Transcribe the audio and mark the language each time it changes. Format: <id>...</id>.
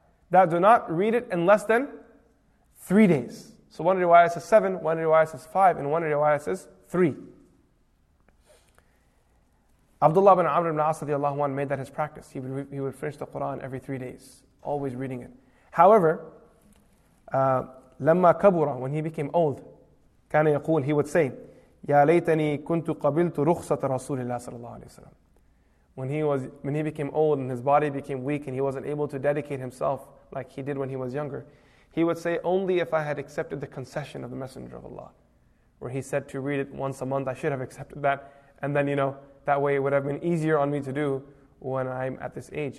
<en>That do not read it in less than 3 days. So one riwayah says 7, one riwayah says 5, and one riwayah says 3. Abdullah ibn Amr ibn As radiallahu anhu made that his practice. He would finish the Quran every 3 days, always reading it. However,</en> <ar>لما كبر,</ar> <en>when he became old,</en> <ar>كان يقول,</ar> <en>he would say,</en> <ar>يا ليتني كنت قبلت رخصة رسول الله صلى الله عليه وسلم.</ar> <en>When he became old and his body became weak and he wasn't able to dedicate himself like he did when he was younger, he would say, only if I had accepted the concession of the Messenger of Allah, where he said to read it once a month, I should have accepted that. And then, you know, that way it would have been easier on me to do when I'm at this age.</en>